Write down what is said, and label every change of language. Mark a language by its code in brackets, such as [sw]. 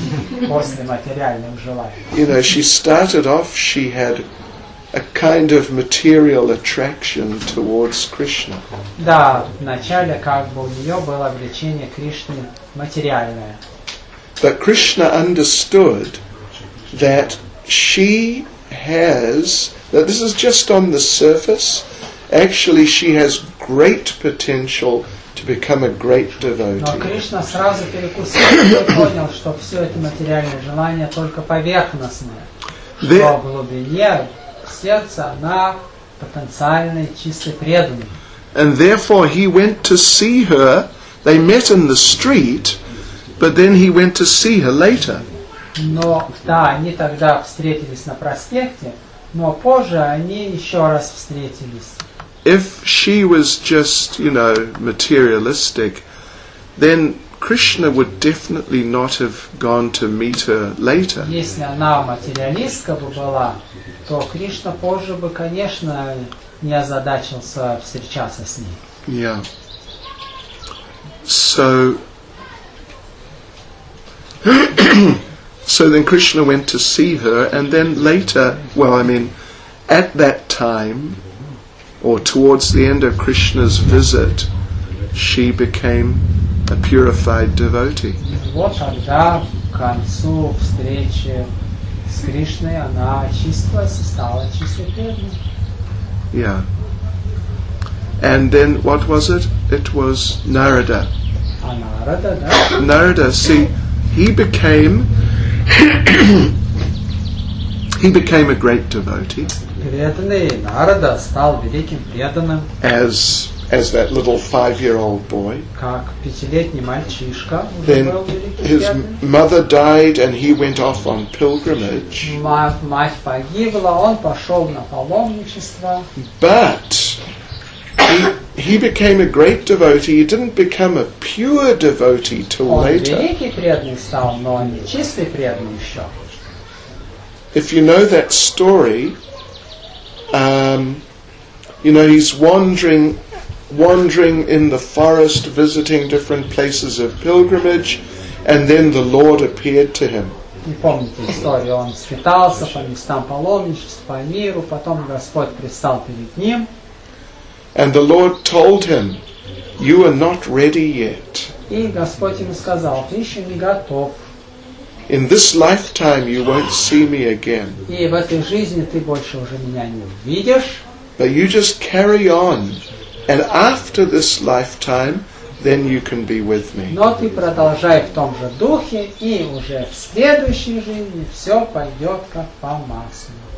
[en] You know, she started off, she had a kind of material attraction towards Krishna. [ru] Да, вначале как бы у нее было влечение Кришне материальное. [en] But Krishna understood that she has, that this is just on the surface, actually she has great potential to become a great devotee. [ru] Но Кришна сразу перекусил и понял, что все это материальное желание только поверхностное. Что в глубине сердца она потенциальный чистый преданный. [en] And therefore he went to see her, they met in the street, but then he went to see her later. [ru] Но да, они тогда встретились на проспекте, но позже они еще раз встретились. [en] If she was just, you know, materialistic, then Krishna would definitely not have gone to meet her later. [ru] Если она материалистка бы была, то Кришна позже бы, конечно, не озадачился встречаться с ней. [en] Yeah. So. So then Krishna went to see her, and then later, well, I mean, at that time, or towards the end of Krishna's visit, she became a purified devotee. [ru] Вот тогда, к концу встречи с Кришной, она очистилась и стала чистой преданной. [en] Yeah. And then, what was it? It was Narada. [ru] А Нарада, да? [en] Нарада, see... he became a great devotee. [ru] Нарада стал великим преданным. [en] As that little 5-year-old boy. [ru] Как пятилетний мальчишка. [en] Then his mother died, and he went off on pilgrimage. [ru] Мать погибла, он пошел на паломничество. [en] But he became a great devotee. He didn't become a pure devotee till later. If you know that story, you know, he's wandering in the forest, visiting different places of pilgrimage, and then the Lord appeared to him. [ru] Не помните историю, он скитался по местам паломничества, по миру, потом Господь предстал перед ним. [en] And the Lord told him, "You are not ready yet." [ru] И Господь ему сказал, ты еще не готов. [en] In this lifetime, you won't see me again. [ru] И в этой жизни ты больше уже меня не увидишь. [en] But you just carry on, and after this lifetime, then you can be with me. [ru] Но ты продолжай в том же духе, и уже в следующей жизни все пойдет как по маслу.